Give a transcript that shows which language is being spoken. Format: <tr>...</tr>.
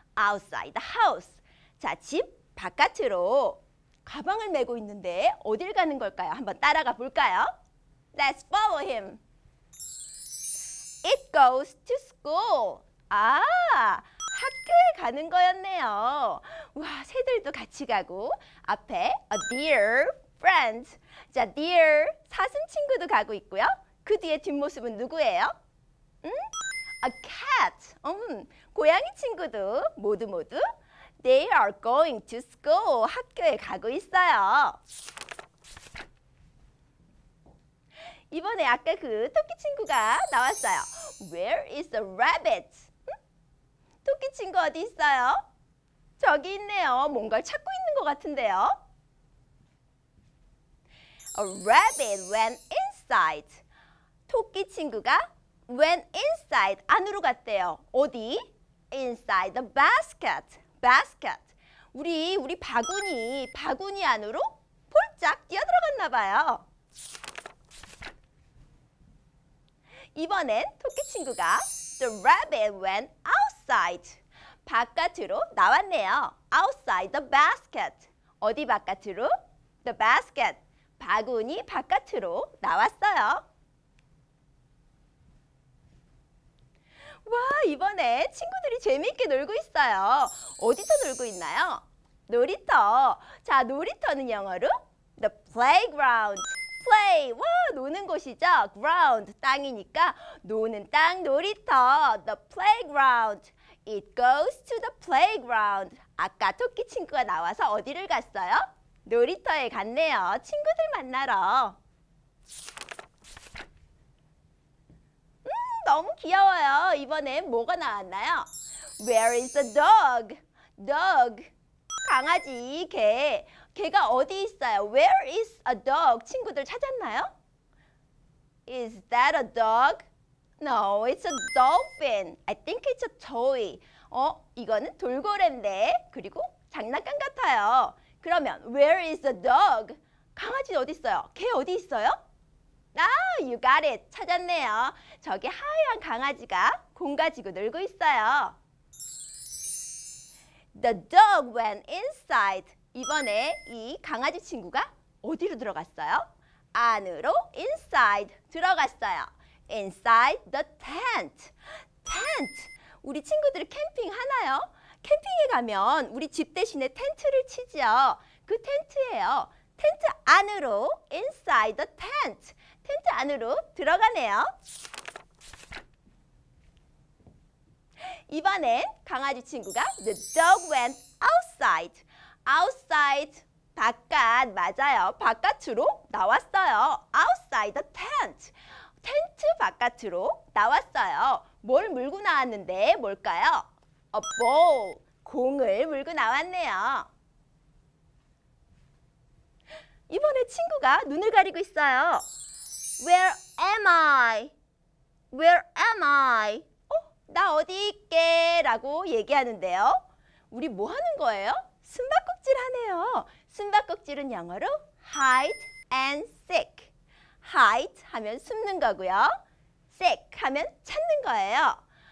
<en>Outside the house.</en> <ko>자, 집 바깥으로. 가방을 메고 있는데 어딜 가는 걸까요? 한번 따라가 볼까요?</ko> <en>Let's follow him. It goes to school.</en> <ko>아, 학교에 가는 거였네요. 와, 새들도 같이 가고 앞에</ko> <en>a deer, friend.</en> <ko>자, deer, 사슴 친구도 가고 있고요. 그 뒤에 뒷모습은 누구예요? 응?</ko> <en>A cat,</en> <ko>고양이 친구도 모두 모두</ko> <en>They are going to school.</en> <ko>학교에 가고 있어요. 이번에 아까 그 토끼 친구가 나왔어요.</ko> <en>Where is the rabbit?</en> <ko>토끼 친구 어디 있어요? 저기 있네요. 뭔가를 찾고 있는 것 같은데요.</ko> <en>A rabbit went inside.</en> <ko>토끼 친구가</ko> <en>went inside.</en> <ko>안으로 갔대요. 어디?</ko> <en>Inside the basket. Basket.</en> <ko>우리 바구니 안으로 폴짝 뛰어들어갔나 봐요. 이번엔 토끼 친구가</ko> <en>The rabbit went outside.</en> <ko>바깥으로 나왔네요.</ko> <en>Outside the basket.</en> <ko>어디 바깥으로?</ko> <en>The basket.</en> <ko>바구니 바깥으로 나왔어요. 와, 이번에 친구들이 재미있게 놀고 있어요. 어디서 놀고 있나요? 놀이터. 자, 놀이터는 영어로</ko> <en>The playground.</en> <ko>Play. 와, 노는 곳이죠? Ground, 땅이니까 노는 땅, 놀이터.</ko> <en>The playground. It goes to the playground.</en> <ko>아까 토끼 친구가 나와서 어디를 갔어요? 놀이터에 갔네요. 친구들 만나러. 너무 귀여워요. 이번엔 뭐가 나왔나요?</ko> <en>Where is the dog? Dog.</en> <ko>강아지, 개. 개가 어디 있어요?</ko> <en>Where is a dog?</en> <ko>친구들 찾았나요?</ko> <en>Is that a dog? No, it's a dolphin. I think it's a toy.</en> <ko>이거는 돌고래인데 그리고 장난감 같아요. 그러면</ko> <en>where is the dog?</en> <ko>강아지 어디 있어요? 개 어디 있어요? 아,</ko> <en>you got it.</en> <ko>찾았네요. 저기 하얀 강아지가 공 가지고 놀고 있어요.</ko> <en>The dog went inside.</en> <ko>이번에 이 강아지 친구가 어디로 들어갔어요? 안으로 inside 들어갔어요.</ko> <en>Inside the tent. Tent.</en> <ko>우리 친구들이 캠핑 하나요? 캠핑에 가면 우리 집 대신에 텐트를 치죠. 그 텐트예요. 텐트 안으로</ko> <en>inside the tent.</en> <ko>텐트 안으로 들어가네요. 이번엔 강아지 친구가</ko> <en>the dog went outside.</en> <ko>Outside 바깥 맞아요. 바깥으로 나왔어요.</ko> <en>Outside the tent.</en> <ko>텐트 바깥으로 나왔어요. 뭘 물고 나왔는데 뭘까요?</ko> <en>A ball.</en> <ko>공을 물고 나왔네요. 이번에 친구가 눈을 가리고 있어요.</ko> <en>Where am I? Where am I? 어?</en> <ko>나 어디 있게? 라고 얘기하는데요. 우리 뭐 하는 거예요? 숨바꼭질 하네요. 숨바꼭질은 영어로</ko> <en>hide and seek.</en> <ko>Hide 하면 숨는 거고요. Seek 하면 찾는 거예요.</ko>